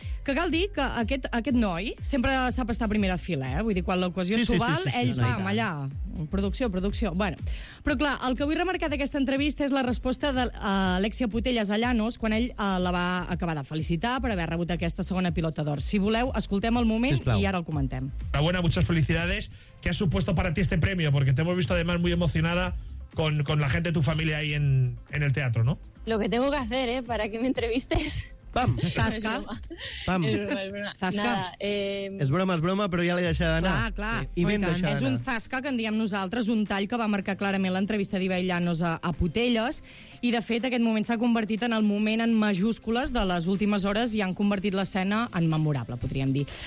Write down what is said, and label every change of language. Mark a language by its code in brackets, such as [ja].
[ca] Que cal dir que aquest noi sempre sap estar a primera fila, eh? Vull dir, quan l'ocasió s'ho val, ell va amb allà. Producció. Bueno, però clar, el que vull remarcar d'aquesta entrevista és la resposta d'Alexia Putellas a Llanos quan ell la va acabar de felicitar per haver rebut aquesta segona pilota d'or. Si voleu, escoltem el moment i ara el comentem. [es] Enhorabuena, muchas felicidades. ¿Qué ha supuesto para ti este premio? Porque te hemos visto además muy emocionada con la gente de tu familia ahí en el teatro, ¿no? Lo que tengo que hacer, ¿eh? Para que me entrevistes... Pam. Zasca. Pam. Zasca. [ca] És broma, però ja l'he deixat d'anar. Clar. I ben deixat d'anar. És un zasca que en diem nosaltres, un tall que va marcar clarament l'entrevista d'Ibai Llanos a Putellas. I, de fet, aquest moment s'ha convertit en el moment en majúscules de les últimes hores i han convertit l'escena en memorable, podríem dir.